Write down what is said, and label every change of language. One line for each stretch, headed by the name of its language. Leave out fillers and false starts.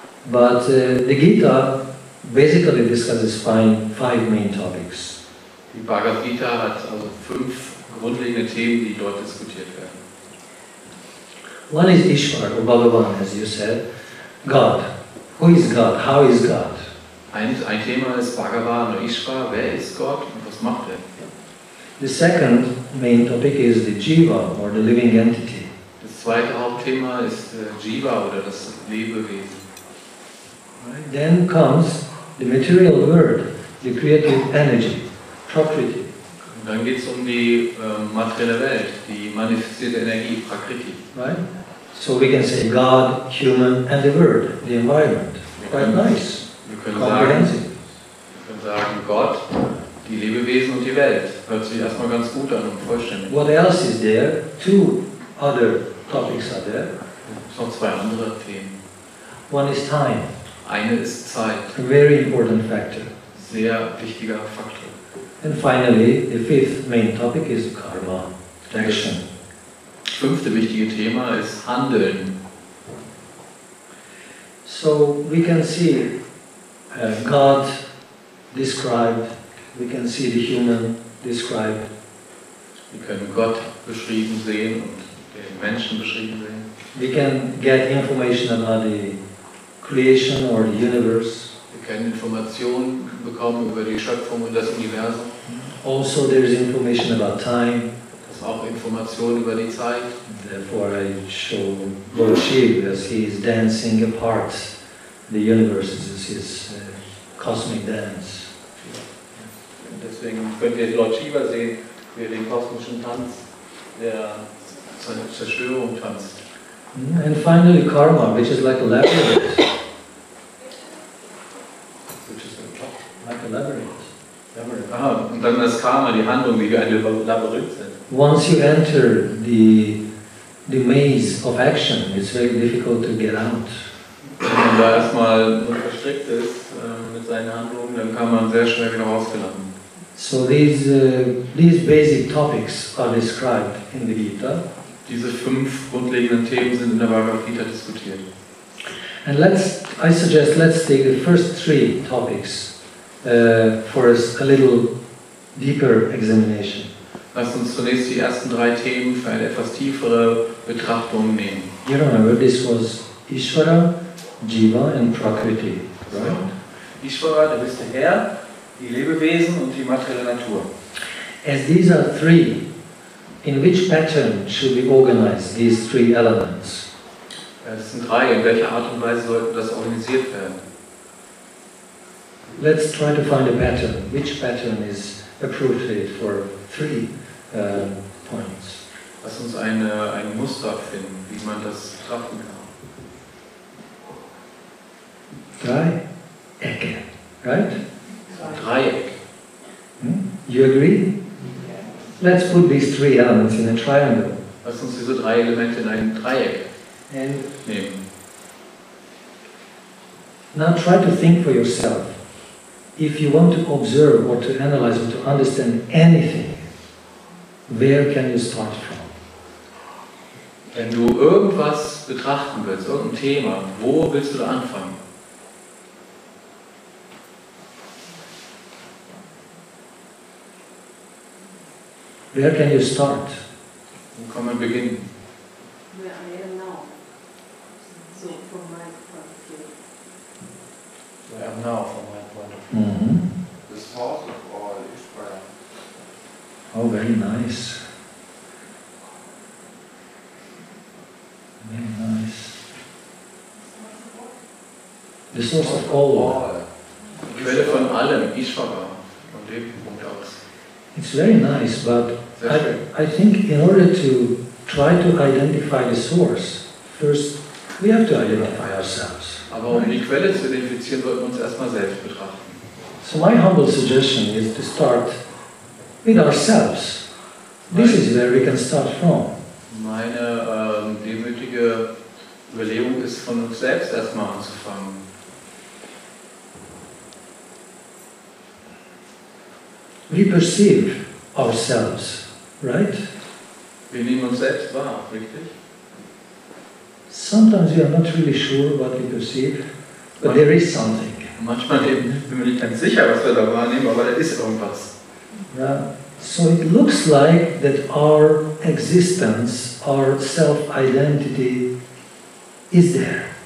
English: But the Gita basically discusses five main topics.
German: Die Bhagavad Gita hat also fünf grundlegende Themen, die dort diskutiert werden.
English: One is Ishwar, or Bhagavan, as you said. God. Who is God? How is God?
German: Ein Thema ist Bhagavan oder Ishwar. Wer ist Gott und was macht er?
English: The second main topic is the Jiva, or the living entity.
German: Das zweite Hauptthema ist Jiva, oder das Lebewesen.
English: Right. Then comes the material world, the creative energy, Prakriti.
German: Dann geht es um die materielle Welt, die manifestierte Energie, Prakriti.
English: Right? So we can say God, human and the world, the environment. Quite nice.
German: Wir können sagen Gott, die Lebewesen und die Welt. Hört sich erstmal ganz gut an und vollständig.
English: What else is there? Two other topics are there.
German: Es sind zwei andere Themen.
English: One is time.
German: Eine ist Zeit.
English: A very important factor.
German: Sehr wichtiger Faktor.
English: And finally, the fifth main topic is karma, action.
German: Fünfte wichtige Thema ist Handeln.
English: So we can see God described, we can see the human described.
German: Wir können Gott beschrieben sehen und den Menschen beschrieben sehen.
English: We can get information about the creation or the universe.
German: Wir können Informationen bekommen über die Schöpfung und das Universum.
English: Also there is information about time.
German: Auch Informationen über die Zeit.
English: therefore I show Lord Shiva as he is dancing apart. The universe is his cosmic dance.
German: Und deswegen könnt ihr Lord Shiva sehen, wie den kosmischen Tanz, der seine Zerstörung tanzt.
English: And finally karma, which is like a labyrinth. Which is like a labyrinth.
German: Ah, und dann das Karma, die Handlung, wie wir ein Labyrinth sind.
English: Once you enter the maze of action, it's very difficult to get out.
German: Wenn man da erstmal verstrickt ist mit seinen Handlungen, dann kann man sehr schnell wieder rausgelangen.
English: So these basic topics are described in the Gita.
German: Diese fünf grundlegenden Themen sind in der Bhagavad Gita diskutiert.
English: And let's take the first three topics for a little deeper examination.
German: Lasst uns zunächst die ersten drei Themen für eine etwas tiefere Betrachtung nehmen.
English: You remember, this was Ishvara, Jiva and Prakriti, right?
German: So, Ishvara, der höchste Herr, die Lebewesen und die materielle Natur.
English: As these are three, in which pattern should we organize these three elements?
German: Es sind drei, in welcher Art und Weise sollten das organisiert werden?
English: Let's try to find a pattern. Which pattern is appropriate for three points?
German: Lass uns ein Muster finden, wie man das treffen kann. Dreiecke, right? Dreieck.
English: You agree? Let's put these three elements in a triangle.
German: Lass uns diese drei Elemente in ein Dreieck nehmen.
English: Now try to think for yourself. If you want to observe or to analyze or to understand anything, where can you start from?
German: Wenn du irgendwas betrachten willst, irgendein Thema, wo willst du da anfangen?
English: Where can you start?
German: Wo kann man beginnen?
English: Where I am now. So from my point of view. Where I am now from my point of view. Mm-hmm. The source of all is prayer. Oh, very nice. Very nice. The source of all.
German: Die Quelle von allem, Ishvara, von dem Punkt aus.
English: It's very nice, but I think in order to try to identify the source, first we have to identify ourselves.
German: Aber um die Quelle zu identifizieren, sollten wir uns erstmal selbst betrachten.
English: So my humble suggestion is to start with ourselves. This is where we can start from.
German: Meine demütige Überlegung ist, von uns selbst erstmal anzufangen.
English: We perceive ourselves, right?
German: Wir nehmen uns selbst wahr, richtig?
English: Sometimes we are not really sure what we perceive, but there is something.
German: Manchmal sind wir nicht ganz sicher, was wir da wahrnehmen, aber da ist irgendwas.
English: Yeah. So it looks like that our existence, our self-identity is there.